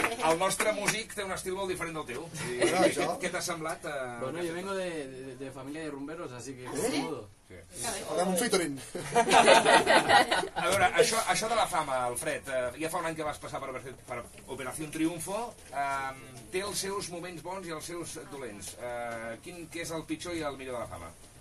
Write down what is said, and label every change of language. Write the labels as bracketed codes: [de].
[ca] El nostre músic té un estil molt diferent del teu. Sí. Sí. Què t'ha semblat? [es] Bueno, yo vengo de familia de rumberos, así que... ¿Sí? [ca] Ara un featuring. A veure, això de la fama, Alfred, ja fa un any que vas passar per Operació Triunfo, té els seus moments bons i els seus dolents. Què és el pitjor i el millor de la fama?